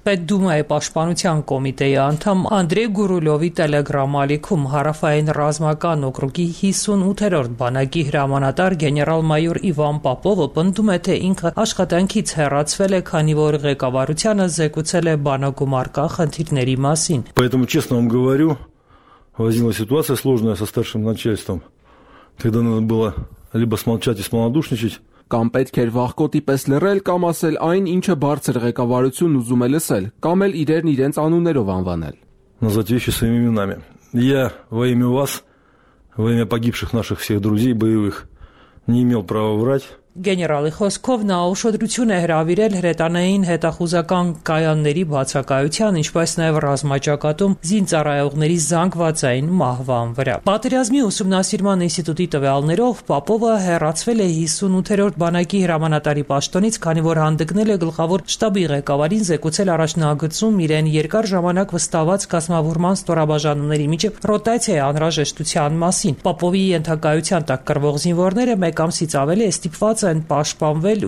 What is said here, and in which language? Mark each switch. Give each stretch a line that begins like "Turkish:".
Armenian: Պետդումայի պաշտպանության կոմիտեի անդամ Անդրեյ Գուրուլովի տելեգրամալիքում հարավային ռազմական օկրուգի 58-րդ բանակի հրամանատար գեներալ-մայոր Իվան Պապովը պնդում է, թե ինքը աշխատանքից հեռացվել է, քանի որ ղեկավարության զեկուցել է բանակում առկա խնդիրների մասին։
Russian: Поэтому честно вам говорю, возникла ситуация сложная со старшим начальством. Тогда надо было либо смолчать и смолодушничать.
Armenian: Կամ պետք էր վախկոտի պես լռել կամ ասել այն, ինչը բարձր ղեկավարություն ուզում է լսել, կամ էլ իրերն իրենց անուններով անվանել։
Russian: Назвать вещи своими именами. Я во имя вас, во имя погибших наших всех друзей боевых не имел права врать.
Armenian: Գեներալի խոսքով նա ուշադրություն է հրավիրել հրետանային հետախուզական կայանների բացակայության, ինչպես նաև ռազմաճակատում զինծառայողների զանգվածային մահվան վրա։ Պատերազմի ուսումնասիրման ինստիտուտի տվյալներով Պապովը հեռացվել է 58-րդ բանակի հրամանատարի պաշտոնից, քանի որ հանդգնել է գլխավոր շտաբի ղեկավարին զեկուցել առաջնագծում իրեն երկար ժամանակ վստահված կազմավորման ստորաբաժանումների միջև ռոտացիայի անհրաժեշտության մասին։ Պապովի ենթակայության տակ կրվող զինվորները մեկ ամսից ավելի է ստիպված են պաշտպանվել